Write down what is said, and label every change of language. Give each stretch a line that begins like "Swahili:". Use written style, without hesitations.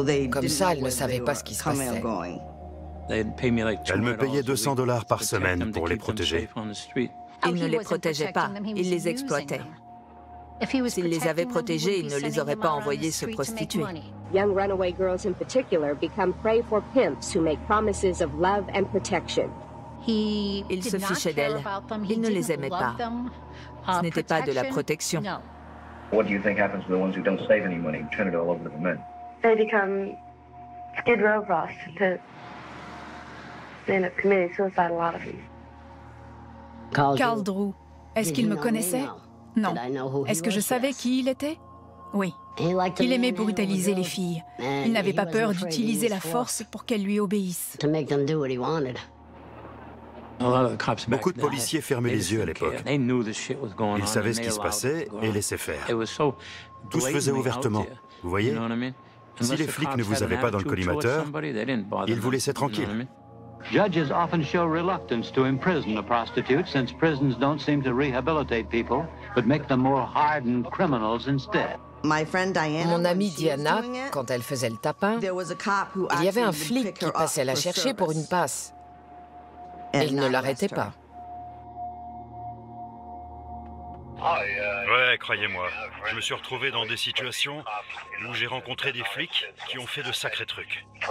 French: Comme ça, elles ne savaient pas ce qui se passait. Elles me payaient $200 par semaine pour les protéger. Il ne les protégeait pas, il les exploitait. S'il les avait protégées, il ne les aurait pas envoyées se prostituer.
English: Young runaway girls in particular become prey for pimps who make promises of love and protection.
French: Il se fichait d'elles. Il ne les aimait pas. Ce n'était pas de la protection.
English: What do you think happens to the ones who don't save any money and turn it all over to the men? They become skid row rats. They end up committing suicide, a lot of them.
French: Carl Drew. Est-ce qu'il me connaissait? Non. Est-ce que je savais qui il était? Oui. Il aimait brutaliser les filles. Il n'avait pas peur d'utiliser la force pour qu'elles lui obéissent. Beaucoup de policiers fermaient les yeux à l'époque. Ils savaient ce qui se passait et laissaient faire. Tout se faisait ouvertement, vous voyez? Si les flics ne vous avaient pas dans le collimateur, ils vous laissaient tranquille.
English: Judges often show reluctance to imprison a prostitute since prisons don't seem to rehabilitate people, but make them more hardened criminals instead.
French: Mon amie Diana, quand elle faisait le tapin, il y avait un flic qui passait la chercher pour une passe. Et il ne l'arrêtait pas. Ouais, croyez-moi, je me suis retrouvé dans des situations où j'ai rencontré des flics qui ont fait de sacrés trucs.